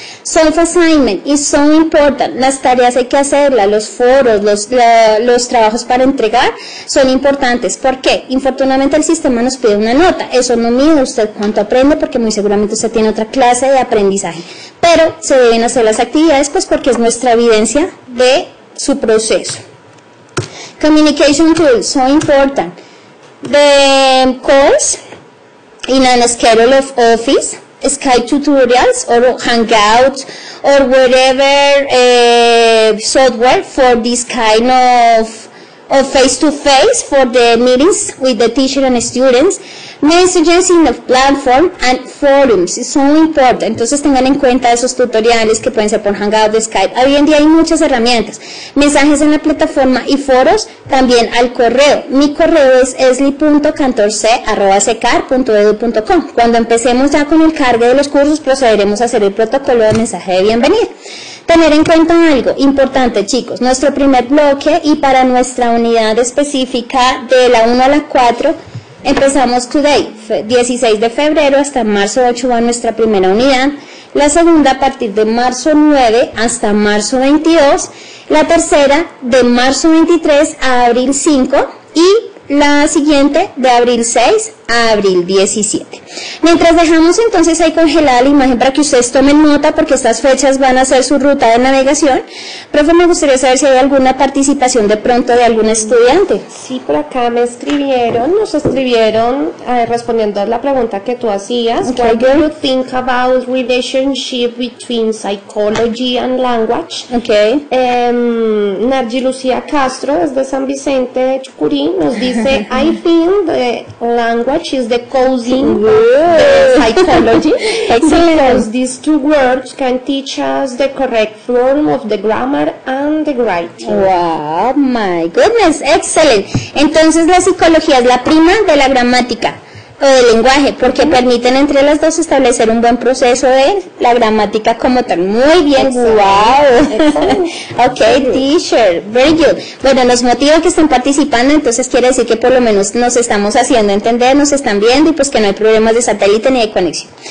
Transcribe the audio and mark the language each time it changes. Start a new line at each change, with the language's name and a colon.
English: Self assignment is so important.
Spanish: Las tareas hay que hacerlas, los foros, los trabajos para entregar son importantes. ¿Por qué? Infortunadamente el sistema nos pide una nota. Eso no mide usted cuánto aprende, porque muy seguramente usted tiene otra clase de aprendizaje. Pero se deben hacer las actividades, pues porque es nuestra evidencia de su proceso.
English: Communication tools, so important. The course in a schedule of office, Skype tutorials or Hangouts or whatever software for this kind of face-to-face for the meetings with the teacher and students, messages in the platform and forums,
Spanish: es muy importante. Entonces tengan en cuenta esos tutoriales que pueden ser por Hangouts, Skype. Hoy en día hay muchas herramientas, mensajes en la plataforma y foros, también al correo. Mi correo es esli.14@secar.edu.com. Cuando empecemos ya con el cargue de los cursos, procederemos a hacer el protocolo de mensaje de bienvenida. Tener en cuenta algo importante, chicos, nuestro primer bloque y para nuestra unidad específica de la 1 a la 4, empezamos today, 16 de febrero hasta marzo 8 va nuestra primera unidad, la segunda a partir de marzo 9 hasta marzo 22, la tercera de marzo 23 a abril 5 y la siguiente de abril 6 a abril 17. Mientras dejamos entonces ahí congelada la imagen para que ustedes tomen nota, porque estas fechas van a ser su ruta de navegación. Profe, me gustaría saber si hay alguna participación de pronto de algún estudiante. Sí, por acá me escribieron, nos escribieron respondiendo a la pregunta que tú hacías.
English: Okay, what do you think about relationship between psychology and language? Okay. Nargi Lucía Castro,
Spanish: desde San Vicente de Chucurí, nos dice,
English: I think the language is the causing psychology, because these two words can teach us the correct form of the grammar and the writing. Wow, my goodness, excellent.
Spanish: Entonces la psicología es la prima de la gramática o del lenguaje, porque permiten entre las dos establecer un buen proceso de la gramática como tal. Muy bien,
English: excellent. Wow. Ok, teacher, very good.
Spanish: Bueno, nos motiva que estén participando, entonces quiere decir que por lo menos nos estamos haciendo entender, nos están viendo y pues que no hay problemas de satélite ni de conexión.